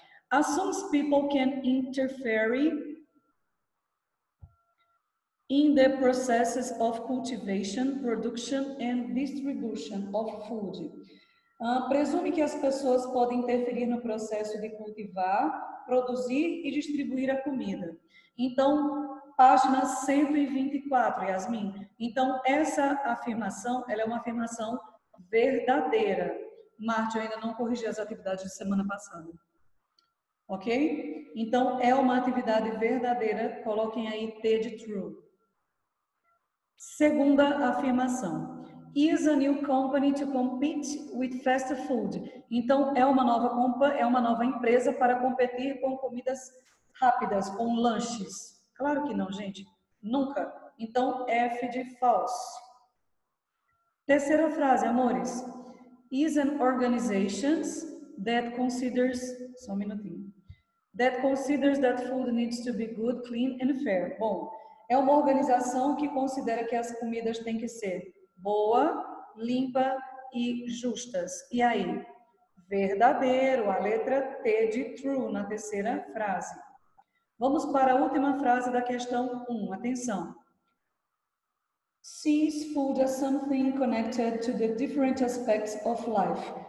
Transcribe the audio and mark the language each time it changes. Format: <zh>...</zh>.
<en>Assumes people can interfere in the processes of cultivation, production and distribution of food.</en> <pt>Presume que as pessoas podem interferir no processo de cultivar, produzir e distribuir a comida. Então, página 124, Yasmin. Então, essa afirmação, ela é uma afirmação verdadeira. Marte, eu ainda não corrigi as atividades de semana passada. Ok? Então, é uma atividade verdadeira. Coloquem aí T de true. Segunda afirmação.</pt> <en>Is a new company to compete with fast food.</en> <pt>Então, é uma nova empresa para competir com comidas rápidas, com lanches. Claro que não, gente. Nunca. Então, F de false. Terceira frase, amores.</pt> <en>Is an organization that considers.</en> <pt>Só um minutinho.</pt> <en>That considers that food needs to be good, clean and fair.</en> <pt>Bom, é uma organização que considera que as comidas têm que ser boa, limpa e justas. E aí? Verdadeiro, a letra T de true na terceira frase. Vamos para a última frase da questão 1. Atenção.</pt> <en>Sees food as something connected to the different aspects of life.</en>